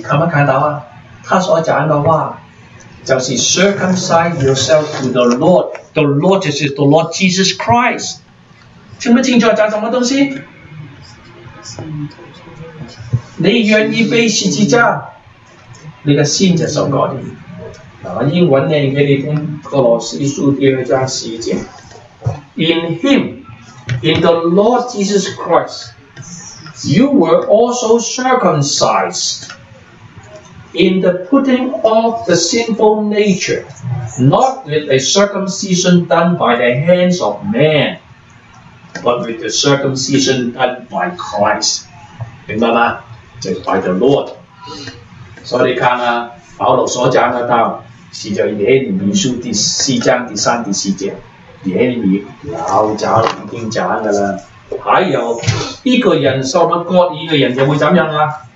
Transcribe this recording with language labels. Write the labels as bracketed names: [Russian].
[Chinese] 看不看到啊？他所讲的话就是 [English] circumcise yourself to the Lord， [Chinese] the Lord 就是 [English] the Lord Jesus Christ。 [Chinese] 听不清楚讲什么东西？你愿意被十字架，你的心就受割礼。英文念给你听，哥罗西书第二章十一节。 [English] In him, in the Lord Jesus Christ, you were also circumcised in the putting off the sinful nature, not with a circumcision done by the hands of man, but with the circumcision done by Christ. [Chinese] 明白吗？就是 [English] by the Lord。 [Chinese] 所以你看啊，保罗所讲的道是在耶利米书第四章第三第四节。耶利米老早已经讲的了。还有一个人受了割礼的人又会怎样啊？